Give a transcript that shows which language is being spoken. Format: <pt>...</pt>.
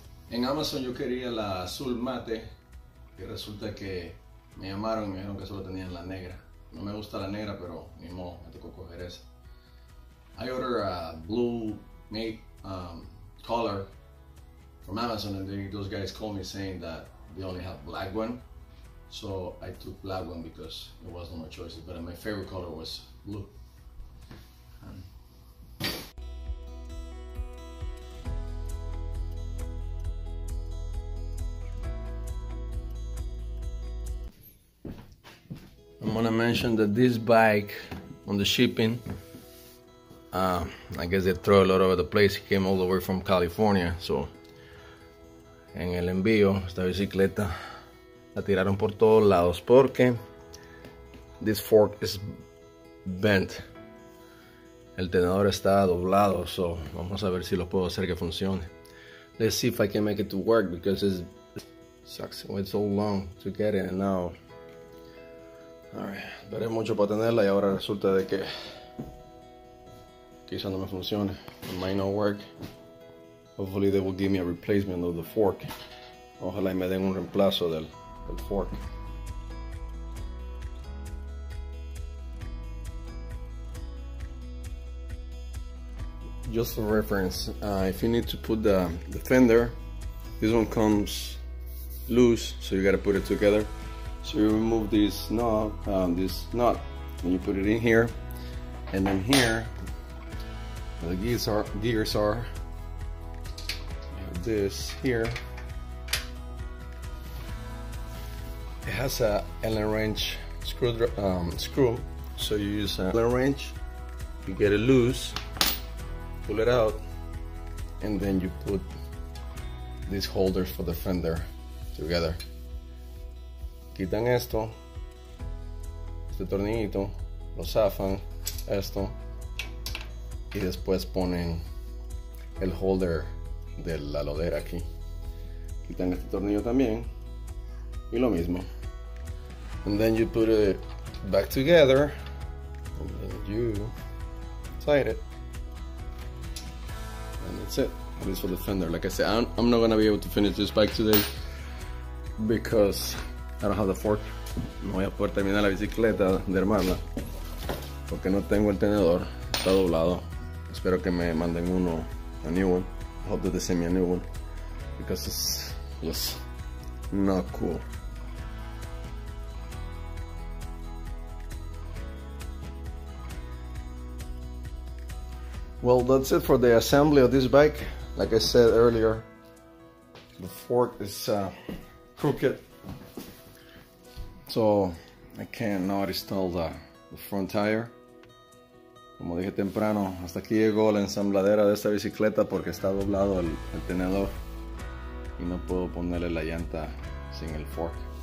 <es>En Amazon yo quería la azul mate y resulta que me llamaron y me dijeron que solo tenían la negra. No me gusta la negra, pero ni modo, me tocó coger esa.</es> <en>I ordered a blue mate color from Amazon, and then those guys called me saying that they only have black one. So I took black one because it was no more choices, but my favorite color was blue. I'm gonna mention that this bike on the shipping, I guess they throw a lot over the place. It came all the way from California, so.</en> <es>En el envío, esta bicicleta la tiraron por todos lados porque</es> <en>this fork is bent.</en> <es>El tenedor está doblado, so vamos a ver si lo puedo hacer que funcione.</es> <en>Let's see if I can make it to work because it sucks. It went so long to get it and now.</en> <es>Alright, esperé mucho para tenerla y ahora resulta de que quizá no me funcione.</es> <en>It might not work. Hopefully they will give me a replacement of the fork.</en> <es>Ojalá y me den un reemplazo del fork.</es> <en>Just for reference, if you need to put the fender, this one comes loose, so you gotta put it together. So you remove this nut, and you put it in here. And then here, where the gears are, this here, it has a Allen wrench screw, so you use an Allen wrench, you get it loose, pull it out, and then you put these holders for the fender together.</en> <es>Quitan esto, este tornillito, lo zafan, esto, y después ponen el holder de la lodera aquí. Quitan este tornillo también y lo mismo.</es> <en>And then you put it back together and then you tight it. And that's it. At least for the fender. Like I said, I'm not gonna be able to finish this bike today because I don't have the fork.</en> <es>No voy a poder terminar la bicicleta de hermana porque no tengo el tenedor. Está doblado. Espero que me manden uno,</es> <en>a new one. I hope that they send me a new one because it's just not cool. Well, that's it for the assembly of this bike. Like I said earlier, the fork is crooked, so I cannot install the front tire.</en> <es>Como dije temprano, hasta aquí llegó la ensambladera de esta bicicleta porque está doblado el tenedor y no puedo ponerle la llanta sin el fork.</es>